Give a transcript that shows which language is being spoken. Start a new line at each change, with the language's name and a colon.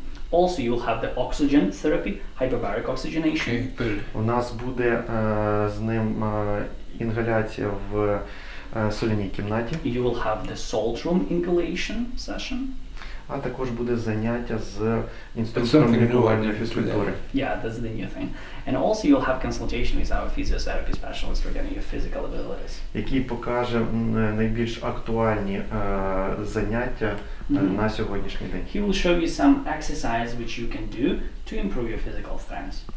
English: Also you'll have the oxygen therapy, hyperbaric oxygenation.
Ukrainian: У нас буде з ним інгаляція в соляній кімнаті.
English: You will have the salt room inhalation session.
Ukrainian: А також буде заняття з інструктором лікування фізкультури.
English: Yeah, that's the new thing. And also you'll have consultation with our physiotherapy specialist regarding your physical abilities.
Ukrainian: Який покаже найбільш актуальні заняття на сьогоднішній день.
English: He will show you some exercise which you can do to improve your physical strength.